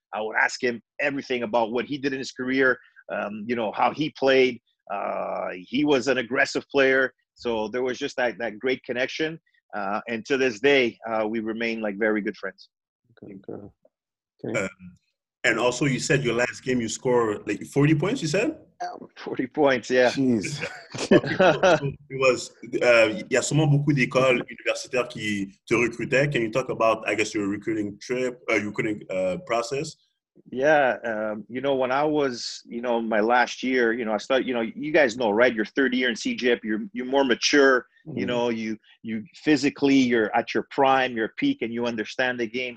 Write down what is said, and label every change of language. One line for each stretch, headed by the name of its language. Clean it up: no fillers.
English: I would ask him everything about what he did in his career, you know, how he played. He was an aggressive player. So there was just that great connection. And to this day, we remain like very good friends. And also, you said your last game you scored like 40 points, you said? 40 points, yeah. Jeez. It was,
French: il y a sûrement beaucoup d'écoles universitaires qui te recrutaient.
English: Can you talk about, I guess, your recruiting trip, recruiting process? Yeah, you know, when I was, you know, my last year, you know, I started, you know, you guys know, right? Your third year in CJIP, you're more mature, you know, you physically, you're at your prime, your peak, and you understand the game.